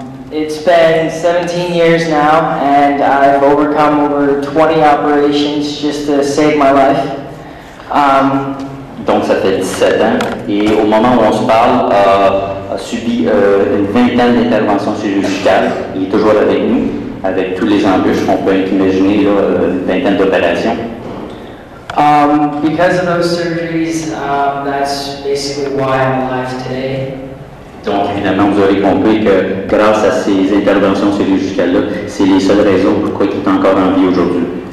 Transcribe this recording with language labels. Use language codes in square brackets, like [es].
[en] It's been 17 years now, and I've overcome over 20 operations just to save my life. [fr] Donc ça fait 17 ans, et au moment où on se parle, a subi une vingtaine d'interventions chirurgicales. Il est toujours avec nous, avec tous les embûches qu'on peut imaginer, là, une vingtaine d'opérations. [en] Because of those surgeries, that's basically why I'm alive today. [fr] Donc évidemment, vous aurez compris que grâce à ces interventions chirurgicales-là, c'est les seules raisons pourquoi il est encore en vie aujourd'hui.